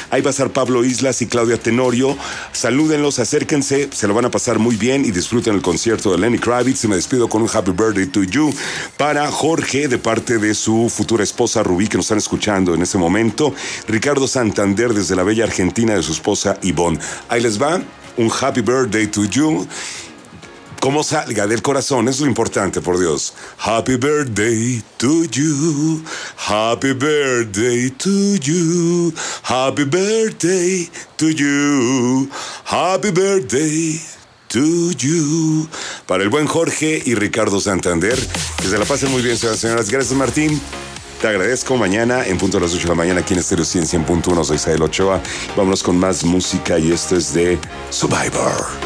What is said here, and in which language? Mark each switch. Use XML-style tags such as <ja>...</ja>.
<es>Ahí va a estar Pablo Islas y Claudia Tenorio. Salúdenlos, acérquense, se lo van a pasar muy bien y disfruten el concierto de Lenny Kravitz. Y me despido con un</es> <en>Happy Birthday to You.</en> <es>Para Jorge, de parte de su futura esposa Rubí, que nos están escuchando en ese momento. Ricardo Santander, desde la bella Argentina, de su esposa Ivonne. Ahí les va, un</es> <en>Happy Birthday to you.</en> <es>Como salga del corazón, eso es lo importante, por Dios.</es> <en>Happy Birthday to you, Happy Birthday to you, Happy Birthday to you, Happy Birthday to you.</en> <es>Para el buen Jorge y Ricardo Santander, que se la pasen muy bien, señoras y señores. Gracias, Martín. Te agradezco. Mañana, en punto de las 8 de la mañana, aquí en Estéreo 100.1, soy Isabel Ochoa. Vámonos con más música y esto es de Survivor.</es>